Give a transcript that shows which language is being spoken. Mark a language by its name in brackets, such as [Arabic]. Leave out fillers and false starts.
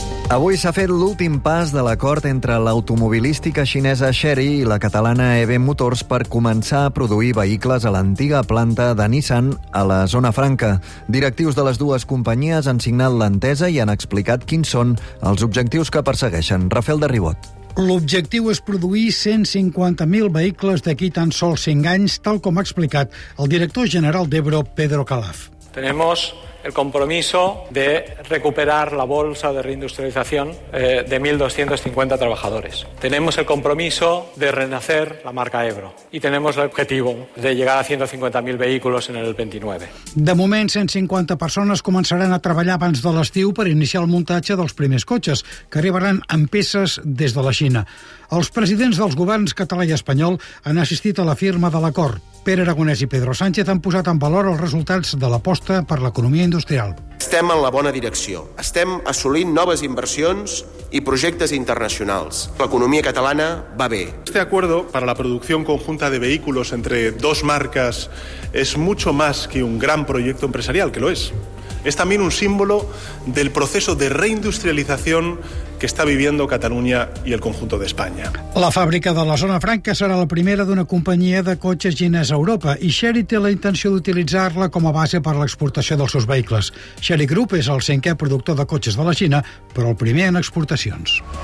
[Catalan] Avui s'ha fet l'últim pas de l'acord entre l'automobilística xinesa Chery i la catalana EB Motors per començar a produir vehicles a l'antiga planta de Nissan a la Zona Franca. Directius de les dues companyies han signat l'entesa i han explicat quins són els objectius que persegueixen. Rafael de Ribot. L'objectiu és produir 150.000 vehicles d'aquí tan sols 5 anys, tal com ha explicat el director general d'Ebro, Pedro Calaf. [Spanish] Tenemos el compromiso de recuperar la bolsa de reindustrialización de 1.250 trabajadores. Tenemos el compromiso de renacer la marca Ebro. Y tenemos el objetivo de llegar a 150.000 vehículos en el 29. [Catalan] De moment, 150 persones començaran a treballar abans de l'estiu per iniciar el muntatge dels primers cotxes, que arribaran amb peces des de la Xina. Els presidents dels governs català i espanyol han assistit a la firma de l'acord. Pere Aragonès i Pedro Sánchez han posat en valor els resultats de l'aposta per l'economia industrial. Estem en la bona direcció. Estem assolint noves inversions i projectes internacionals. L'economia catalana va bé. [Spanish] Este acuerdo para la producción conjunta de vehículos entre dos marcas es mucho más que un gran proyecto empresarial, que lo es. Es también un símbolo del proceso de reindustrialización que está viviendo Cataluña y el conjunto de España. [Catalan] La fàbrica de la Zona Franca serà la primera d'una companyia de cotxes xinesa a Europa i Chery té la intenció d'utilitzar-la com a base per a l'exportació dels seus vehicles. Chery Group és el cinquè productor de cotxes de la Xina, però el primer en exportacions.